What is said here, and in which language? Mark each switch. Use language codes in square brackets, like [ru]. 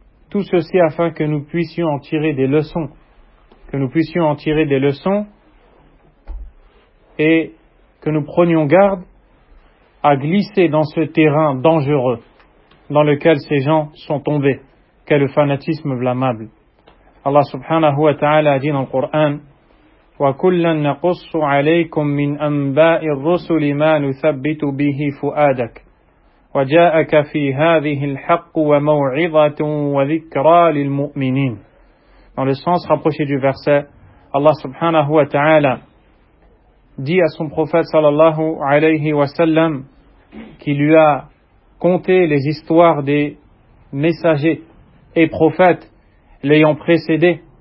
[fr] Tout ceci afin que nous puissions en tirer des leçons. Que nous puissions en tirer des leçons et que nous prenions garde à glisser dans ce terrain dangereux dans lequel ces gens sont tombés, qu'est le fanatisme blâmable. Allah subhanahu wa ta'ala a dit dans le Coran [ar] وَكُلَّنْ نَقُصُّ عَلَيْكُمْ مِنْ أَنْبَاءِ الرُّسُلِ مَا نُثَبِّتُ بِهِ فُؤَادَكَ وَجَاءَكَ فِي هَذِهِ الْحَقُّ وَمَوْعِظَةٌ وَذِكْرَى لِلْمُؤْمِنِينَ. [fr] Dans le sens rapproché du verset, Allah subhanahu wa ta'ala dit à son prophète sallallahu alayhi wa sallam qui lui a conté les histoires des messagers et prophètes l'ayant précédé.